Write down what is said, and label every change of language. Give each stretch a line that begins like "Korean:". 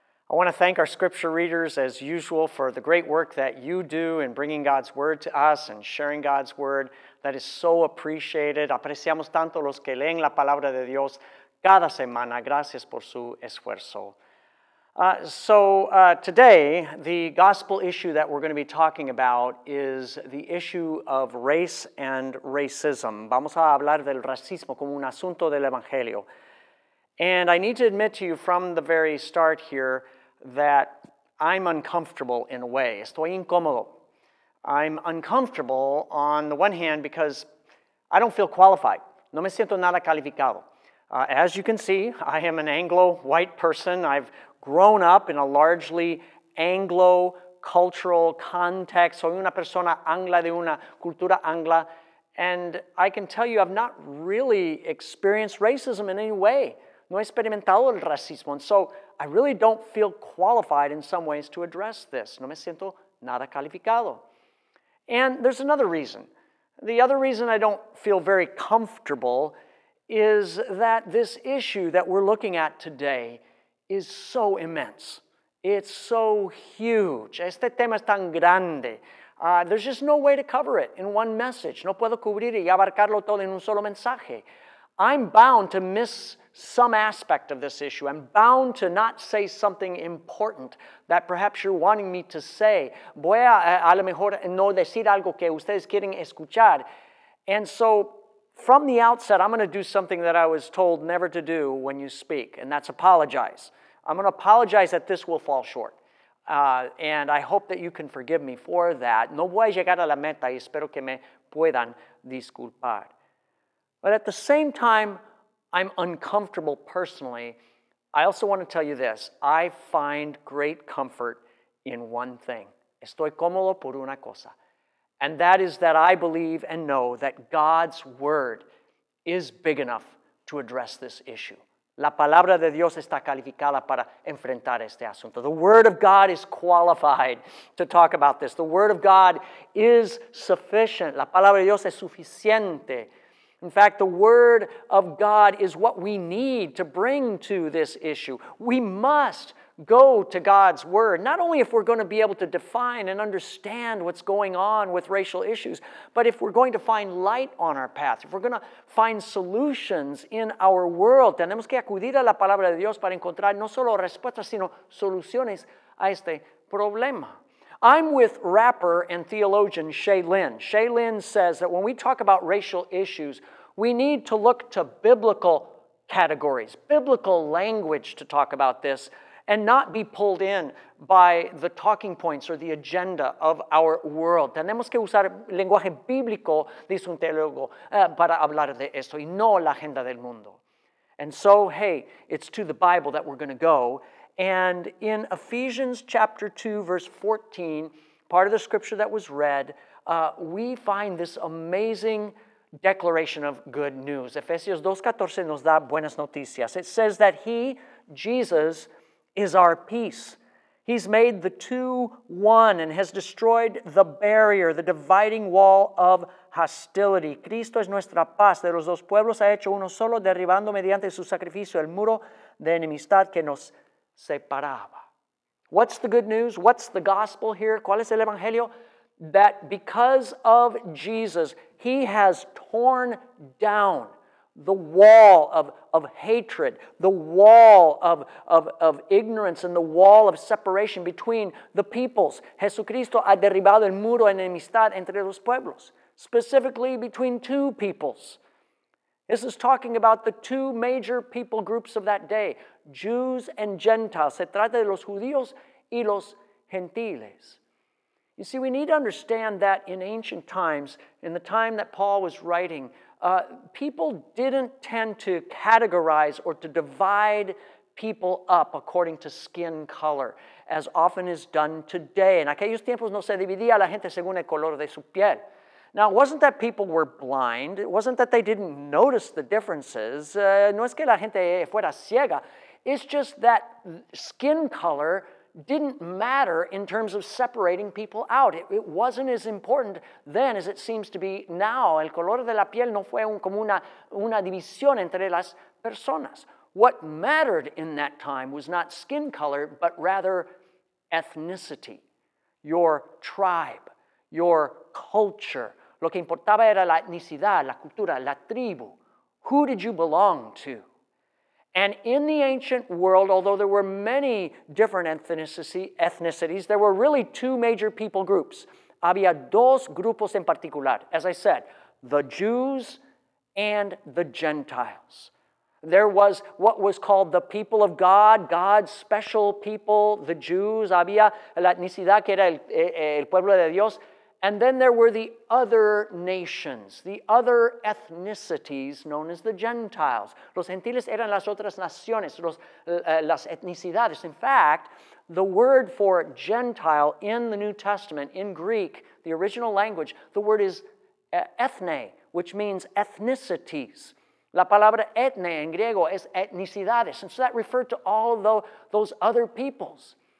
English: I want to thank our scripture readers, as usual, for the great work that you do in bringing God's word to us and sharing God's word. That is so appreciated.
Spanish: Apreciamos tanto los que leen la palabra de Dios cada semana. Gracias por su esfuerzo.
English: Today, the gospel issue that we're going to be talking about is the issue of race and racism.
Spanish: Vamos a hablar del racismo como un asunto del evangelio.
English: And I need to admit to you from the very start here that I'm uncomfortable in a way.
Spanish: Estoy incómodo.
English: I'm uncomfortable on the one hand because I don't feel qualified.
Spanish: No me siento nada calificado.
English: As you can see, I am an Anglo-white person. I've grown up in a largely Anglo-cultural context.
Spanish: Soy una persona angla de una cultura angla.
English: And I can tell you I've not really experienced racism in any way.
Spanish: No he experimentado el racismo.
English: And so I really don't feel qualified in some ways to address this.
Spanish: No me siento nada calificado.
English: And there's another reason. The other reason I don't feel very comfortable is that this issue that we're looking at today is so immense. It's so huge.
Spanish: Este tema es tan grande.
English: There's just no way to cover it in one message.
Spanish: No puedo cubrir y abarcarlo todo en un solo mensaje.
English: I'm bound to miss some aspect of this issue. I'm bound to not say something important that perhaps you're wanting me to say.
Spanish: Voy a lo mejor no decir algo que ustedes quieren escuchar.
English: And so, from the outset, I'm going to do something that I was told never to do when you speak, and that's apologize. I'm going to apologize that this will fall short. And I hope that you can forgive me for that.
Spanish: No voy a llegar a la meta y espero que me puedan disculpar.
English: But at the same time, I'm uncomfortable personally. I also want to tell you this. I find great comfort in one thing.
Spanish: Estoy cómodo por una cosa.
English: And that is that I believe and know that God's word is big enough to address this issue.
Spanish: La palabra de Dios está calificada para enfrentar este asunto.
English: The word of God is qualified to talk about this. The word of God is sufficient.
Spanish: La palabra de Dios es suficiente.
English: In fact, the word of God is what we need to bring to this issue. We must go to God's word, not only if we're going to be able to define and understand what's going on with racial issues, but if we're going to find light on our path, if we're going to find solutions in our world.
Spanish: Tenemos que acudir a la palabra de Dios para encontrar no solo respuestas, sino soluciones a este problema.
English: I'm with rapper and theologian Shay Lynn. Shay Lynn says that when we talk about racial issues, we need to look to biblical categories, biblical language to talk about this, and not be pulled in by the talking points or the agenda of our world.
Spanish: Tenemos que usar lenguaje bíblico, dice un teólogo, para hablar de esto, y no la agenda del mundo.
English: And so, hey, it's to the Bible that we're going to go. And in Ephesians chapter 2, verse 14, part of the scripture that was read, we find this amazing declaration of good news. Ephesians 2:14
Spanish: nos da buenas noticias.
English: It says that He, Jesus, is our peace. He's made the two one and has destroyed the barrier, the dividing wall of hostility.
Spanish: Cristo es nuestra paz. De los dos pueblos ha hecho uno solo, derribando mediante su sacrificio el muro de enemistad que nos separaba.
English: What's the good news? What's the gospel here?
Spanish: ¿Cuál es el evangelio?
English: That because of Jesus, He has torn down the wall of hatred, the wall of ignorance, and the wall of separation between the peoples.
Spanish: Jesucristo ha derribado el muro de enemistad entre los pueblos,
English: specifically between two peoples. This is talking about the two major people groups of that day, Jews and Gentiles.
Spanish: Se trata de los judíos y los gentiles.
English: You see, we need to understand that in ancient times, in the time that Paul was writing, people didn't tend to categorize or to divide people up according to skin color, as often is done today.
Spanish: En aquellos tiempos no se dividía a la gente según el color de su piel.
English: Now, it wasn't that people were blind. It wasn't that they didn't notice the differences.
Spanish: No es que la gente fuera ciega.
English: It's just that skin color didn't matter in terms of separating people out. It wasn't as important then as it seems to be now.
Spanish: El color de la piel no fue como una división entre las personas.
English: What mattered in that time was not skin color, but rather ethnicity, your tribe, your culture.
Spanish: Lo que importaba era la etnicidad, la cultura, la tribu.
English: Who did you belong to? And in the ancient world, although there were many different ethnicities, there were really two major people groups.
Spanish: Había dos grupos en particular.
English: As I said, the Jews and the Gentiles. There was what was called the people of God, God's special people, the Jews.
Spanish: Había la etnicidad, que era el pueblo de Dios.
English: And then there were the other nations, the other ethnicities known as the Gentiles.
Spanish: Los gentiles eran las otras naciones, las etnicidades.
English: In fact, the word for Gentile in the New Testament, in Greek, the original language, the word is ethne, which means ethnicities.
Spanish: La palabra ethne en griego es etnicidades.
English: And so that referred to all of those other peoples.